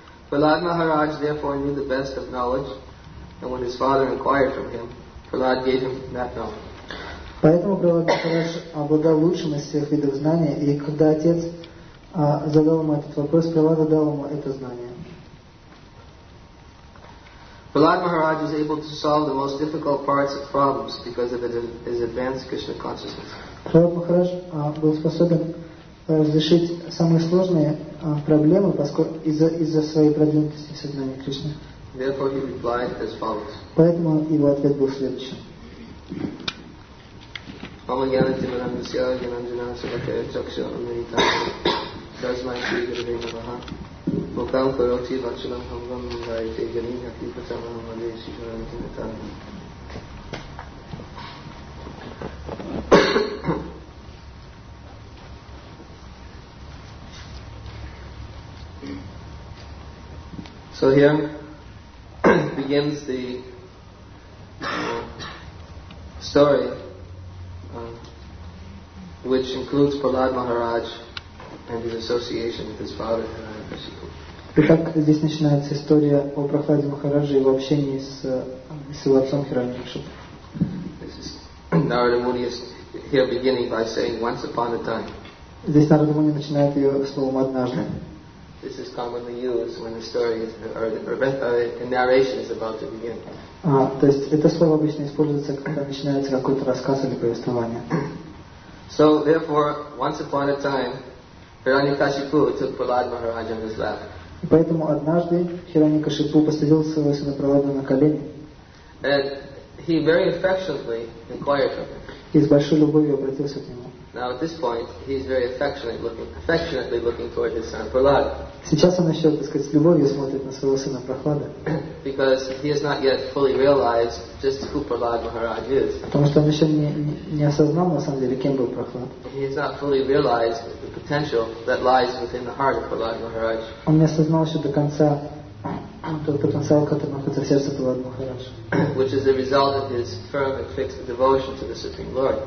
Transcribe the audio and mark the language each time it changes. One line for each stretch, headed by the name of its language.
English: Prahlad Maharaj therefore knew the best of knowledge, and when his father inquired from him, Prahlad gave him that knowledge.
Russian: Поэтому Прохлад Махарадж обладал лучшим из всех видов знания, и когда отец задал ему этот вопрос, Прохлад дал ему это знание.
English: Prahlad Maharaj was able to solve the most difficult parts of problems because of his advanced Krishna consciousness.
Russian: Прохлад Махарадж был способен разрешить самые сложные проблемы, поскольку из-за своей продвинутости в сознании Кришны.
English: Therefore he replied as follows.
Russian: Поэтому его ответ был следующим. Ramayana Timaram Sya Janam Janam Sakaya Chaksha Amrita Dasma Sri Gurudeva Maha Mukam Kuroti Vachalam Hamvam Vaite Janina Kripa Samam Vade Sri Janam Tinatam.
English: So here begins the story, which includes Prahlad Maharaj and his association with his father Hiranyakashipu.
Russian: И как здесь начинается история о Прохладе Махараджи и его общении с его отцом Хираньякашипу?
English: This is Narada Muni is here beginning by saying once upon a time.
Russian: Здесь Нарада Муни начинает ее словом однажды.
English: This is commonly used when the story is, or the narration is about to begin.
Russian: То есть это слово обычно используется, когда начинается какой-то рассказ или повествование.
English: So therefore, once upon a time, Hiranyakashipu took Prahlad Maharaj on his lap.
Russian: Поэтому однажды Хираньякашипу посадил своего сына Прохлада на колени.
English: And he very affectionately inquired of him.
Russian: И с большой любовью обратился к нему.
English: Now at this point, he is very affectionately looking toward his son Prahlad.
Russian: Сейчас он еще, так сказать, с любовью смотрит на своего сына Прохлада.
English: Because he has not yet fully realized just who Prahlad Maharaj is.
Russian: Потому что он еще не осознал на самом деле, кем был Прохлад.
English: He has not fully realized the potential that lies within the heart of Prahlad Maharaj.
Russian: Он не осознал еще до конца тот потенциал, который находится в сердце Прохлад Махарадж.
English: Which is the result of his firm and fixed devotion to the Supreme Lord.